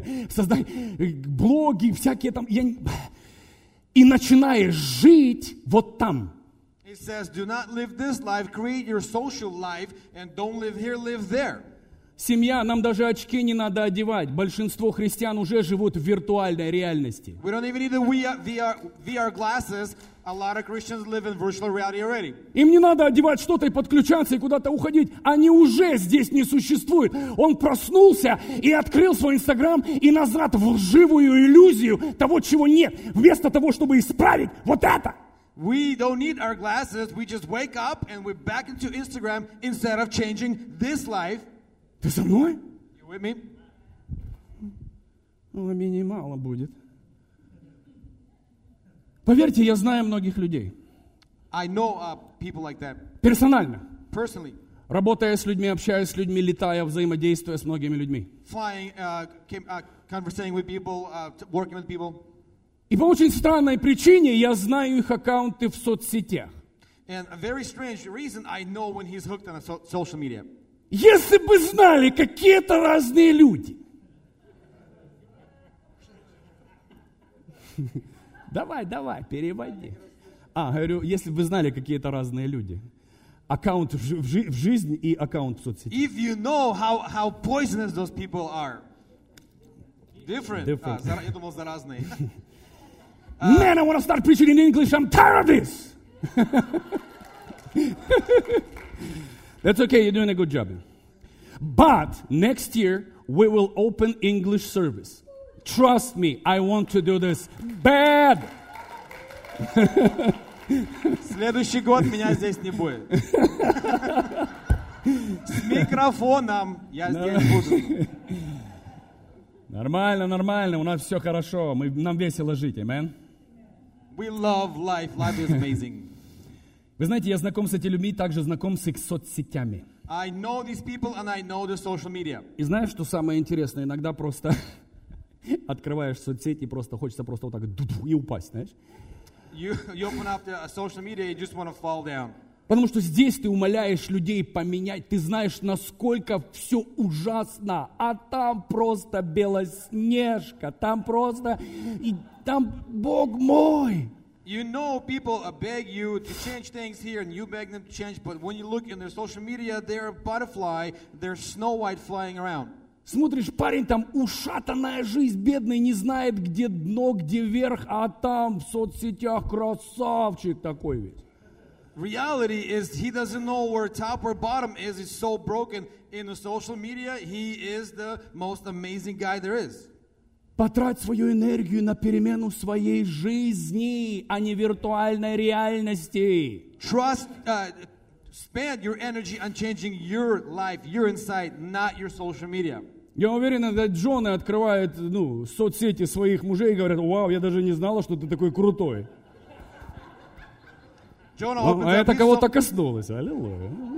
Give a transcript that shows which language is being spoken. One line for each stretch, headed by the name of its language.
Russian: Создай блоги, всякие там, и начинаешь жить вот там.
English: It says, do not live this life, create your social life, and don't live here, live there.
Russian: Семья, нам даже очки не надо одевать. Большинство христиан уже живут в виртуальной реальности.
English: We don't even need the VR glasses. A lot of Christians live in virtual reality already.
Russian: Им не надо одевать что-то и подключаться, и куда-то уходить. Они уже здесь не существуют. Он проснулся и открыл свой Инстаграм и назад в живую иллюзию того, чего нет. Вместо того, чтобы исправить вот это.
English: We don't need our glasses. We just wake up and we're back into Instagram instead of changing this life.
Russian: Ты со мной?
English: You with me?
Russian: Ну, минимально будет. Поверьте, я знаю многих людей.
English: I know people like that.
Russian: Персонально.
English: Personally.
Russian: Работая с людьми, общаясь с людьми, летая, взаимодействуя с многими людьми.
English: Flying, conversing with people, working with people.
Russian: И по очень странной причине я знаю их аккаунты в соцсетях.
English: And a very strange reason I know when he's hooked on a social media.
Russian: Если бы знали, какие это разные люди. Давай, давай, переводи. А, говорю, если бы знали, какие это разные люди. Аккаунт в жизни и аккаунт в соцсети.
English: If you know how poisonous those people are. Different.
Russian: Я думал, заразные.
English: Man, I want to start preaching in English. I'm tired of this. That's okay, you're doing a good job. But next year we will open English service. Trust me, I want to do this bad.
Russian: Следующий год меня здесь не будет. С микрофоном я здесь буду. Нормально, нормально, у нас все хорошо, нам весело жить, amen.
English: We love life. Life is amazing.
Russian: Вы знаете, я знаком с этими людьми, также знаком с их соцсетями.
English: I know these people and I know the social media.
Russian: И знаешь, что самое интересное? Иногда просто открываешь соцсети и просто хочется просто вот так и упасть, знаешь?
English: You open up the social media and you just want to fall down.
Russian: Потому что здесь ты умоляешь людей поменять. Ты знаешь, насколько все ужасно. А там просто белоснежка. Там просто... И там Бог мой!
English: You know people beg you to change things here and you beg them to change, but when you look in their social media, they're a butterfly, they're Snow White flying around.
Russian: Смотришь, парень там ушатанная жизнь, бедный, не знает, где дно, где верх, а там в соцсетях красавчик такой ведь.
English: Reality is he doesn't know where top or bottom is, it's so broken in the social media, he is the most amazing guy there is.
Russian: Потрать свою энергию на перемену своей жизни, а не виртуальной реальности.
English: Trust, spend your energy on changing your life, your insight, not your social media.
Russian: Я уверен, когда жены открывают ну, соцсети своих мужей и говорят, вау, я даже не знала, что ты такой крутой.
English: Jonah,
Russian: а это кого-то коснулось, аллилуйя.